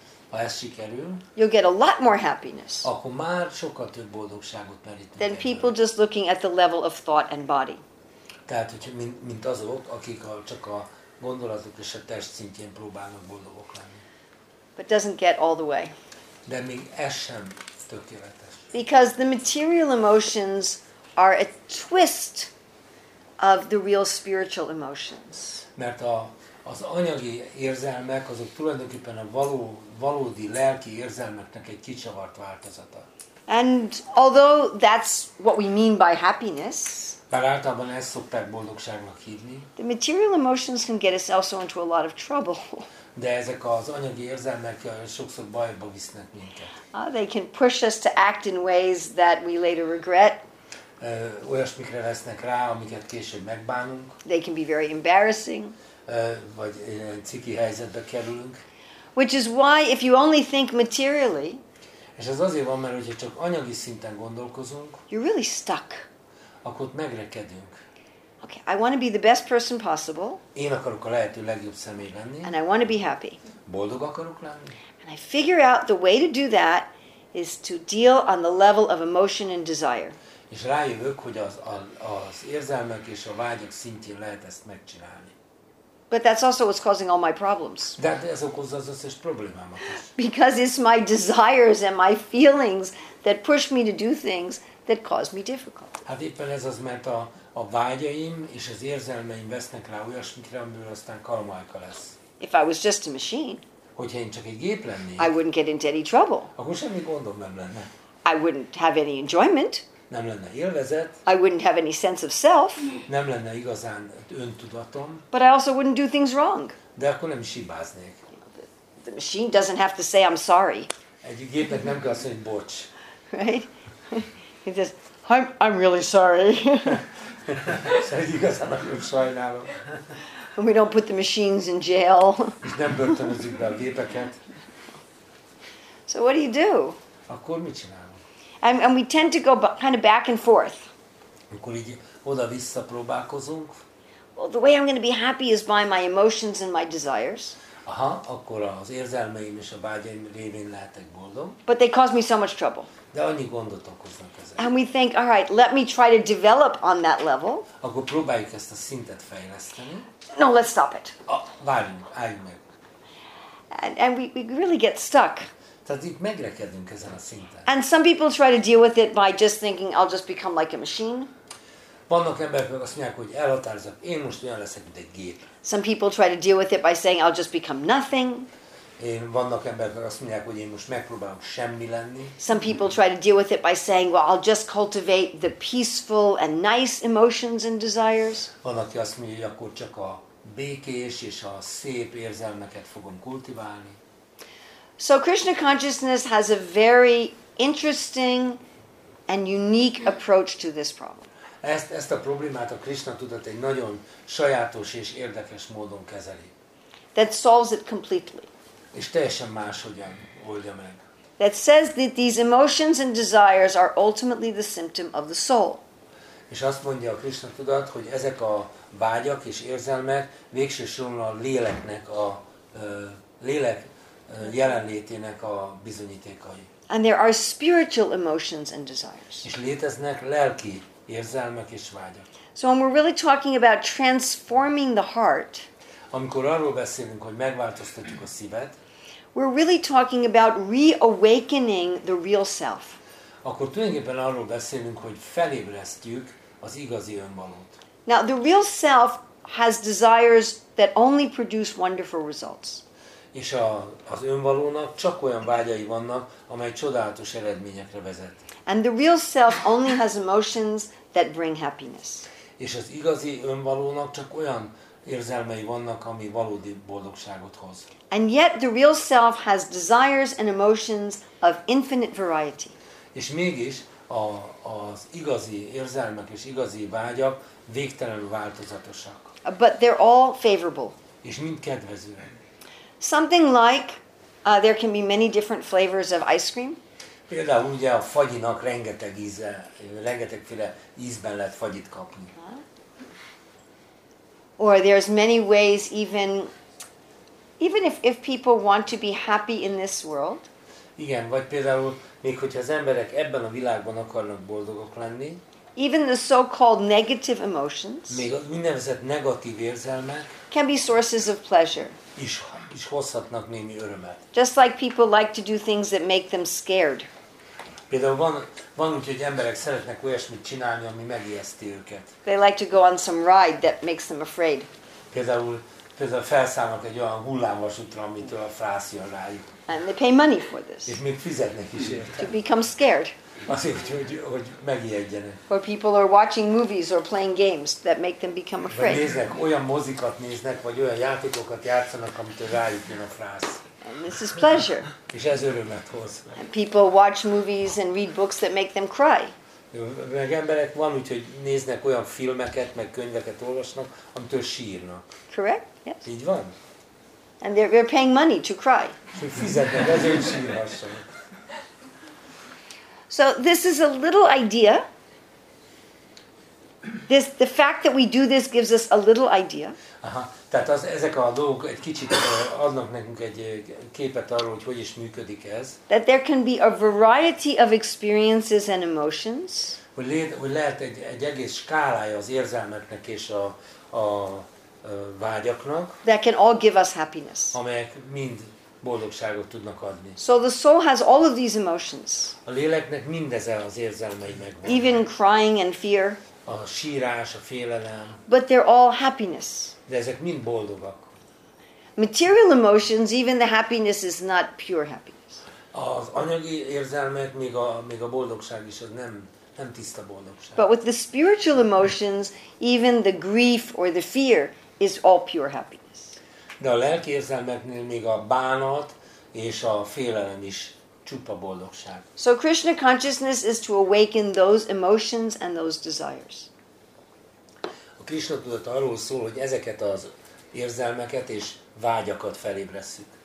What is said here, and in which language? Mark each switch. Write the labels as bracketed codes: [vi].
[hu] ha ez sikerül, [en] you'll get a lot more happiness. [hu] Akkor már sokkal több boldogságot merítünk. [en] Than people just looking at the level of thought and body. [hu] Tehát, hogy mint azok, akik csak a gondolatok és a test szintjén próbálnak boldogok lenni. [en] But doesn't get all the way. [hu] De még ez sem tökéletes. [en] Because the material emotions are a twist of the real spiritual emotions. [hu] Mert az anyagi érzelmek, azok tulajdonképpen a valódi lelki érzelmeknek egy kicsavart változata. [en] And although that's what we mean by happiness, [hu] bár általában ezt szokták boldogságnak hívni, [en] the material emotions can get us also into a lot of trouble. [hu] De ezek az anyagi érzelmek sokszor bajba visznek minket. [en] They can push us to act in ways that we later regret. [hu] Olyasmikre vesznek rá, amiket később megbánunk. [en] They can be very embarrassing. [hu] Vagy ciki helyzetbe kerülünk. [en] Which is why if you only think materially. [hu] És ez azért van, mert hogyha csak anyagi szinten gondolkozunk. [en] You're really stuck. [hu] Akkor megrekedünk. [en] Okay, I want to be the best person possible. [hu] Én akarok a lehető legjobb személy lenni. [en] And I want to be happy. [hu] Boldog akarok lenni. [en] And I figure out the way to do that is to deal on the level of emotion and desire. [hu] És rájövök, hogy az érzelmek és a vágyak szintjén lehet ezt megcsinálni. [en] But that's also what's causing all my problems. That is [hu] okozza az összes problémámat. [en] Because it's my desires and my feelings that push me to do things that cause me difficulty. [hu] Hát éppen ez az, mert a vágyaim és az érzelmeim vesznek rá olyasmikre, amiből aztán karmájka lesz. [en] If I was just a machine, [hu] hogyha én csak egy gép lennék, [en] I wouldn't get into any trouble. [hu] Akkor semmi gondom nem lenne. [en] I wouldn't have any enjoyment. [hu] Nem lenne élvezet. [en] I wouldn't have any sense of self. [hu] Nem lenne igazán öntudatom. [en] But I also wouldn't do things wrong. [hu] De akkor nem is hibáznék. [en] The machine doesn't have to say I'm sorry. [hu] Egy gépnek nem kell azt mondani, bocs. [en] Right? He says, I'm really sorry. [hu] Szerint igazán akkor sajnálom. [en] And we don't put the machines in jail. [hu] És nem börtönözzük be a gépeket. [en] So what do you do? [hu] Akkor mit csinálunk? [en] And we tend to go kind of back and forth. [hu] Akkor így oda-vissza próbálkozunk. [en] Well, the way I'm going to be happy is by my emotions and my desires. [hu] Aha, akkor az érzelmeim és a vágyaim révén lehetek boldog. [en] But they cause me so much trouble. [hu] De annyi gondot okoznak ezek. [en] And we think, all right, let me try to develop on that level. [hu] Akkor próbáljuk ezt a szintet fejleszteni. [en] No, let's stop it. [hu] Várjunk, álljunk meg. [en] And we really get stuck. [hu] Tehát itt megrekedünk ezen a szinten. [en] And some people try to deal with it by just thinking, I'll just become like a machine. [hu] Vannak emberek, akik azt mondják, hogy elhatározok, én most olyan leszek, mint egy gép. [en] Some people try to deal with it by saying, I'll just become nothing. [hu] Vannak emberek, akik azt mondják, hogy én most megpróbálom semmi lenni. [en] Some people try to deal with it by saying, well, I'll just cultivate the peaceful and nice emotions and desires. [hu] Vannak, aki azt mondja, hogy akkor csak a békés és a szép érzelmeket fogom kultiválni. [en] So Krishna consciousness has a very interesting and unique approach to this problem. [hu] Ezt a problémát a Krishna tudat egy nagyon sajátos és érdekes módon kezeli. [en] That solves it completely. [hu] És teljesen máshogyan oldja meg. [en] That says that these emotions and desires are ultimately the symptom of the soul. [hu] És azt mondja a Krishna tudat, hogy ezek a vágyak és érzelmek végső soron a léleknek a lélek jelenlétének a bizonyítékai. [en] And there are spiritual emotions and desires. [hu] És léteznek lelki érzelmek és vágyak. [en] So when we're really talking about transforming the heart, [hu] amikor arról beszélünk, hogy megváltoztatjuk a szívet, [en] we're really talking about reawakening the real self. [hu] Akkor tulajdonképpen arról beszélünk, hogy felébresztjük az igazi önmagot. [en] Now the real self has desires that only produce wonderful results. [hu] És az önvalónak csak olyan vágyai vannak, amely csodálatos eredményekre vezet. [en] And the real self only has emotions that bring happiness. [hu] És az igazi önvalónak csak olyan érzelmei vannak, ami valódi boldogságot hoz. [en] And yet the real self has desires and emotions of infinite variety. [hu] És mégis az igazi érzelmek és igazi vágyak végtelenül változatosak. [en] But they're all favorable. [hu] És mind kedvezőek. [en] Something like there can be many different flavors of ice cream. [hu] Például ugye a fagyinak rengeteg íze, rengetegféle ízben lehet fagyit kapni. [en] Or there's many ways even if people want to be happy in this world. [hu] Igen, vagy például még hogyha az emberek ebben a világban akarnak boldogok lenni. [en] Even the so-called negative emotions. [hu] Még a úgynevezett negatív érzelmek. [en] Can be sources of pleasure. [hu] Is hozhatnak némi örömet. [en] Just like people like to do things that make them scared. [hu] Például van úgy, hogy emberek szeretnek olyasmit csinálni, ami megijeszti őket. [en] They like to go on some ride that makes them afraid. [hu] Például felszállnak egy olyan hullámvasútra, amitől a frász jön rájuk. [en] And they pay money for this. [hu] És még fizetnek is érte. [en] To become scared. [hu] Azért, hogy megijedjenek. [en] Or people are watching movies or playing games that make them become afraid. [hu] Vagy néznek, olyan mozikat néznek, vagy olyan játékokat játszanak, amitől rájuk jön a frász. [en] And this is pleasure. [hu] És ez örömet hoz. [en] And people watch movies and read books that make them cry. [hu] Meg emberek van, úgyhogy néznek olyan filmeket, meg könyveket olvasnak, amitől sírnak. [en] Correct? Yes. [hu] Így van. [en] And they're paying money to cry. [hu] Fizetnek, ezért sírhassanak. [en] So this is a little idea. This the fact that we do this gives us a little idea. [hu] Aha, tehát ezek a dolgok egy kicsit adnak nekünk egy képet arról, hogy hogyan is működik ez. [en] That there can be a variety of experiences and emotions. [hu] Hogy lehet egy egész skálája az érzelmeknek és a vágyaknak. [en] That can all give us happiness. [hu] Amelyek mind boldogságot tudnak adni. [en] So the soul has all of these emotions. [hu] A léleknek mindezen az érzelmei megvannak. [en] Even crying and fear. [hu] A sírás, a félelem. [en] But they're all happiness. [hu] De ezek mind boldogak. [en] Material emotions, even the happiness is not pure happiness. [hu] Az anyagi érzelmek, még a boldogság is az nem tiszta boldogság. [en] But with the spiritual emotions, even the grief or the fear is all pure happiness. [hu] De a lelki érzelmeknél még a bánat és a félelem is csupa boldogság. [en] So Krishna consciousness is to awaken those emotions and those desires. [hu] A Krishna tudat arról szól, hogy ezeket az érzelmeket és vágyakat felébresszük.